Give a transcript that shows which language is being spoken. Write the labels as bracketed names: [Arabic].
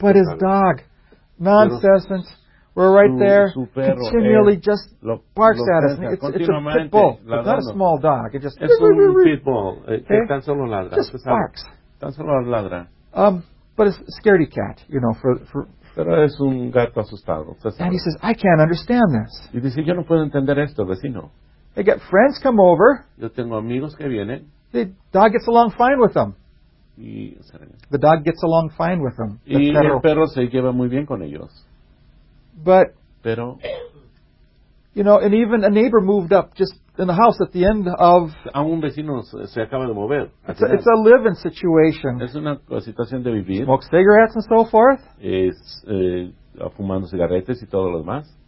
[English] but his dog, nonsense, we're right there, continually just barks at us. It's a pit bull. [Spanish] Ladrando. [English] It's not a small dog. It just [Spanish] es un pit bull. Okay? Tan solo ladra. [English] Just barks. [Spanish] Tan solo ladra. [English] But it's a scaredy cat, you know, for [Spanish] pero es un gato asustado. [English] And he says, I can't understand this. [Spanish] Y dice, yo no puedo entender esto, vecino. [English] I get friends come over. [Spanish] Yo tengo amigos que vienen. [English] The dog gets along fine with them. The dog gets along fine with them. [Spanish] Y el perro se lleva muy bien con ellos. [English] But, [Spanish] pero, [English] you know, and even a neighbor moved up just in the house at the end of. [Spanish] A un vecino se acaba de mover. [English] It's a live-in situation. [Spanish] Es una situación de vivir. [English] Smokes cigarettes and so forth. [Spanish] Es fumando cigarretes y todo lo demás.